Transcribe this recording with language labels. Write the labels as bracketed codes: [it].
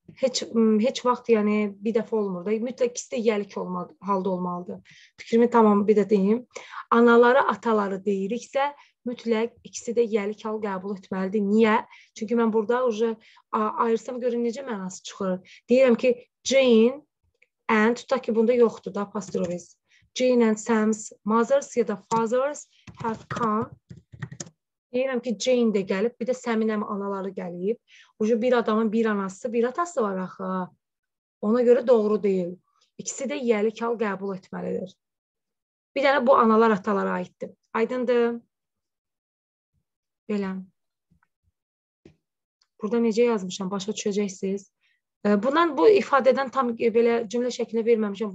[az] heç vaxt, yəni bir dəfə olmur da. Mütləq ikisi də yəlik halda olmalıdır. Fikrimi tamam bir də deyim. Analara, ataları deyiriksə, mütləq ikisi də yəlik hal qəbul etməlidir. Niyə? Çünki mən burada uca ayırsam görün necə mənası çıxır. Deyirəm ki, Jane and, tutaq ki, bunda yoxdur da, pastoriz. [en] Jane and Sam's mothers [az] ya da [en] fathers have come. [az] Deyirəm ki, Jane də gəlib, bir də Sam'in əmi anaları gəlib. Uca bir adamın bir anası, bir atası var axı. Ona görə doğru deyil. İkisi də yəlik hal qəbul etməlidir. Bir dənə bu analar atalara aiddir. Aydındır. Belə. Burada necə yazmışam? Başa düşəcəksiniz. Bundan bu ifadədən tam belə cümlə şəklində verməmişəm.